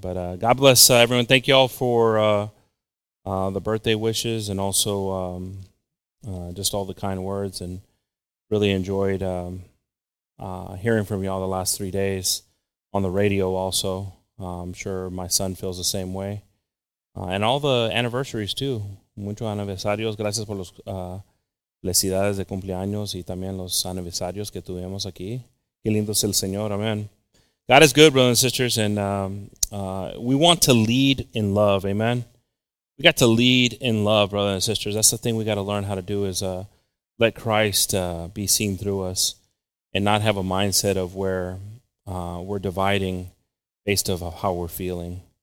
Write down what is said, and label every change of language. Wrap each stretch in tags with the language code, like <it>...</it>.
<en>But God bless everyone. Thank you all for the birthday wishes and also just all the kind words, and really enjoyed hearing from y'all the last 3 days on the radio also. I'm sure my son feels the same way. And all the anniversaries, too.</en> <es>Muchos aniversarios. Gracias por los felicidades de cumpleaños y también los aniversarios que tuvimos aquí. Qué lindo es el Señor. Amen.</es> <en>God is good, brothers and sisters, and we want to lead in love. Amen. We got to lead in love, brothers and sisters. That's the thing we got to learn how to do, is let Christ be seen through us. And not have a mindset of where we're dividing based of how we're feeling.</en>